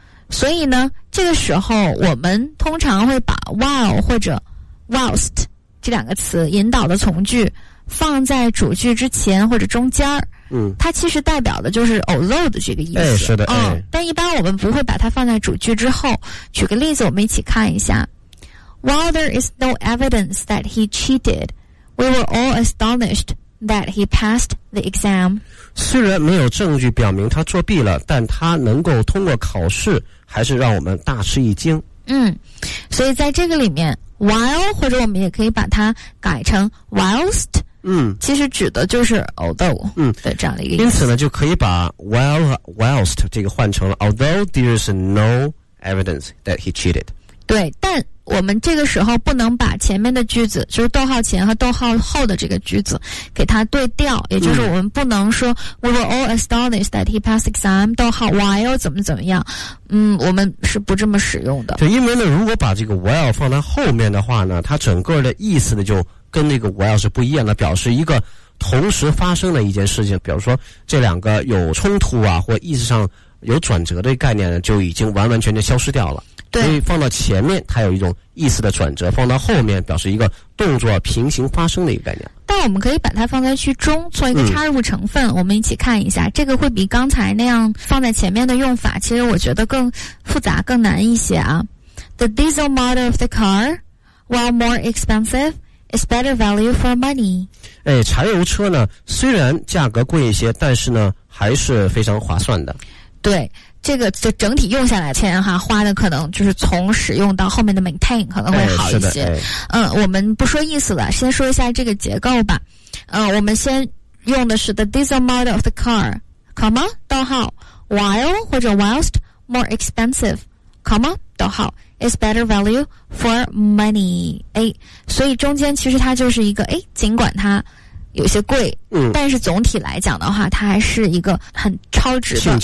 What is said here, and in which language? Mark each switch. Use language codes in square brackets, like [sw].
[zh] 所以呢这个时候我们通常会把 while 或者 whilst 这两个词引导的从句放在主句之前或者中间，它其实代表的就是 although 的这个意思。是的，但一般我们不会把它放在主句之后。举个例子我们一起看一下。 [en] While there is no evidence that he cheated, we were all astonished that he passed the exam. [zh] 虽然没有证据表明他作弊了，但他能够通过考试，还是让我们大吃一惊。所以在这个里面 while 或者我们也可以把它改成 whilst。其实指的就是 although 的这样的一个意思。因此呢，就可以把 while whilst 这个换成了 [en] although there is no evidence that he cheated。 [zh] 对，但我们这个时候不能把前面的句子，就是逗号前和逗号后的这个句子给它对调，也就是我们不能说 [en] we were all astonished that he passed exam [zh] 逗号 while 怎么怎么样，我们是不这么使用的。对，因为呢，如果把这个 while 放在后面的话呢，它整个的意思呢就跟那个 while 是不一样的，表示一个同时发生的一件事情，比如说这两个有冲突啊或意思上有转折的概念呢，就已经完完全全消失掉了。对，所以放到前面它有一种意思的转折，放到后面表示一个动作平行发生的一个概念。但我们可以把它放在句中做一个插入成分，我们一起看一下，这个会比刚才那样放在前面的用法其实我觉得更复杂更难一些啊。 [en] The diesel model of the car, while more expensive, is better value for money。 [zh] 哎，柴油车呢虽然价格贵一些，但是呢还是非常划算的。对，这个就整体用下来钱哈，花的可能就是从使用到后面的 maintain 可能会好一些。我们不说意思了，先说一下这个结构吧。我们先用的是 [en] the diesel model of the car, comma, [zh] 逗号 while 或者 whilst [en] more expensive, comma, [zh] 逗号 [en] is better value for money, [zh] 哎，所以中间其实它就是一个哎，尽管它有些贵，但是总体来讲的话它还是一个很超值的